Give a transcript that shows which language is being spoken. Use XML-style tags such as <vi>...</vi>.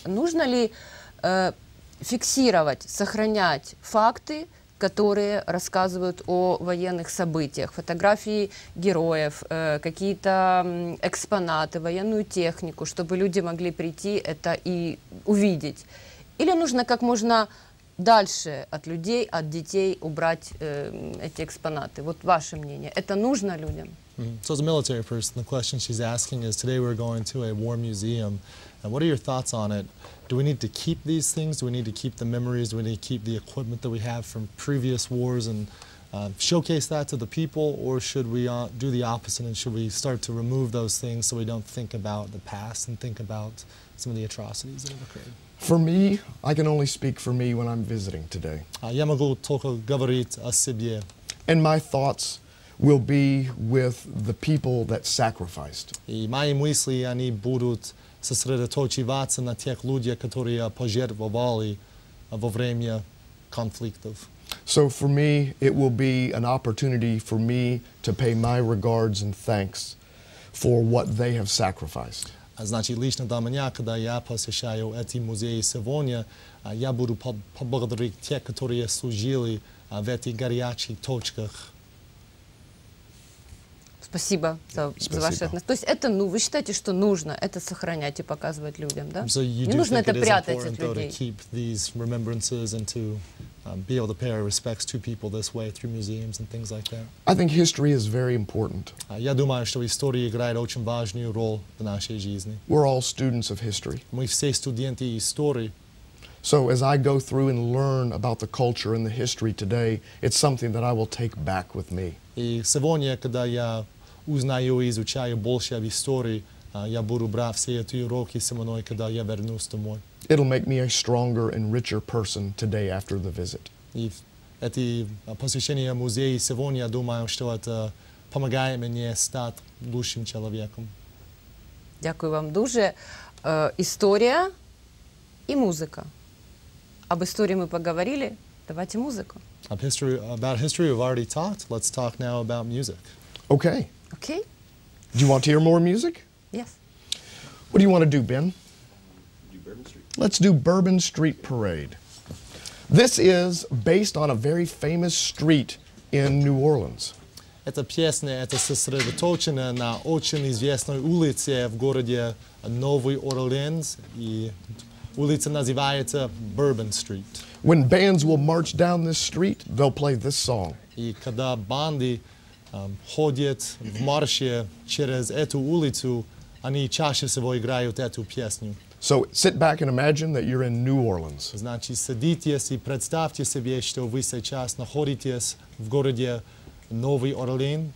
<ru>Нужно ли фиксировать, сохранять факты, которые рассказывают о военных событиях, фотографии героев, какие-то экспонаты, военную технику, чтобы люди могли прийти это и увидеть? Или нужно как можно дальше от людей, от детей убрать эти экспонаты? Вот ваше мнение. Это нужно людям? Mm-hmm.</ru> <en>So as a military person, the question she's asking is, today we're going to a war museum, and what are your thoughts on it? Do we need to keep these things? Do we need to keep the memories? Do we need to keep the equipment that we have from previous wars and showcase that to the people? Or should we do the opposite and should we start to remove those things so we don't think about the past and think about some of the atrocities that have occurred? For me, I can only speak for me when I'm visiting today.</en> <ru>Я могу только говорить о себе.</ru> <en>And my thoughts will be with the people that sacrificed.</en> <ru>И мои мысли, они будут сосредоточиваться на тех людях, которые пожертвовали во время конфликтов.</ru> <en>So for me, it will be an opportunity for me to pay my regards and thanks for what they have sacrificed.</en> <ru>Значит, лично для меня, когда я посещаю эти музеи сегодня, я буду поблагодарить тех, которые служили в этих горячих точках. Спасибо за ваше отношение. То есть это, ну, вы считаете, что нужно это сохранять и показывать людям, да?</ru> <en>So</en> <ru>не нужно это прятать от людей.</ru> <en>To keep these remembrances and to be able to pay our respects to people this way through museums and things like that. I think history is very important.</en> <ru>Я думаю, что история играет очень важную роль в нашей жизни.</ru> <en>We're all students of history.</en> <ru>Мы все студенты истории.</ru> <en>So as I go through and learn about the culture and the history today, it's something that I will take back with me.</en> <ru>И сегодня, когда я узнаю и изучаю больше об истории, я буду брать все эти уроки со мной, когда я вернусь домой.</ru> <en>It'll make me a stronger and richer person today after the visit.</en> <ru>И это посещение музея сегодня, я думаю, что это помогает мне стать лучшим человеком.</ru> <uk>Дякую вам дуже.</uk> <ru>История и музыка. Об истории мы поговорили. Давайте музыку.</ru> <en>About history we've already talked. Let's talk now about music. Okay. Okay. Do you want to hear more music? Yes. What do you want to do, Ben? Do Bourbon Street. Let's do Bourbon Street Parade. This is based on a very famous street in New Orleans.</en> <ru>Эта песня, это сосредоточена на очень известной улице в городе Новый Орлеанс. И улица называется Bourbon Street.</ru> <en>When bands will march down this street, they'll play this song.</en> <ru>И когда банды ходят в марше через эту улицу, они чаще всего играют эту песню.</ru> <en>So sit back and imagine that you're in New Orleans.</en> <ru>Значит, садитесь и представьте себе, что вы сейчас находитесь в городе Новый Орлеан.</ru>